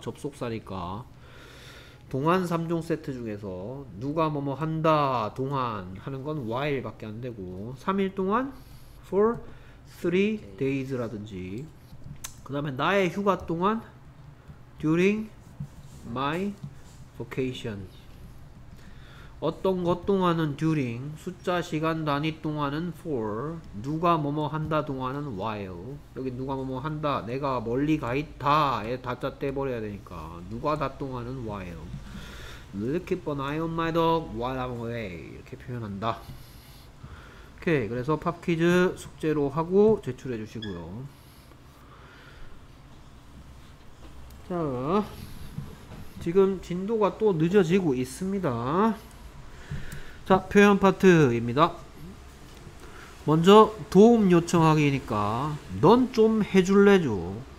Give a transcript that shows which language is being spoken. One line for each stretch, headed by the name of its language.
Korean: 접속사니까 동안 3종 세트 중에서 누가 뭐뭐 한다 동안 하는 건 while 밖에 안 되고 3일 동안
English: for 3 days
Korean: 라든지 그 다음에 나의 휴가 동안
English: during my vacation
Korean: 어떤 것 동안은 during, 숫자 시간 단위 동안은 for, 누가 뭐뭐 한다 동안은 while. 여기 누가 뭐뭐 한다, 내가 멀리 가 있다에 다짜 떼버려야 되니까 누가 다 동안은 while.
English: Will keep an eye on my dog while I'm away.
Korean: 이렇게 표현한다. 오케이, 그래서 팝퀴즈 숙제로 하고 제출해 주시고요. 자, 지금 진도가 또 늦어지고 있습니다. 자, 표현 파트입니다. 먼저 도움 요청하기니까 넌 좀 해줄래죠.